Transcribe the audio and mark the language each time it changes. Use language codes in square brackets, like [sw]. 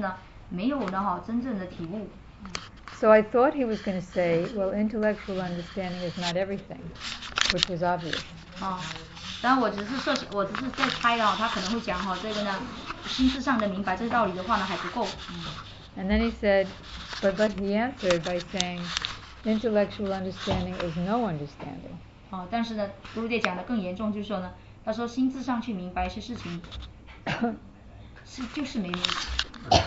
[zh] 他说我可以呢，在理智上哈，就是在心智层面呢，可以呢去呢，剖析我所明白的东西，所传教的东西，但是呢，没有呢哈，真正的体悟。 [en] So I thought he was going to say, well, intellectual understanding is not everything, which was obvious. [zh] 但我只是在猜哈，他可能会讲哈，这个呢，心智上的明白这道理的话呢，还不够。 [en] And then he said, but he answered by saying, intellectual understanding is no understanding. [zh] 但是呢，Gurudev讲的更严重，就是说呢，他说心智上去明白一些事情，是就是没明白。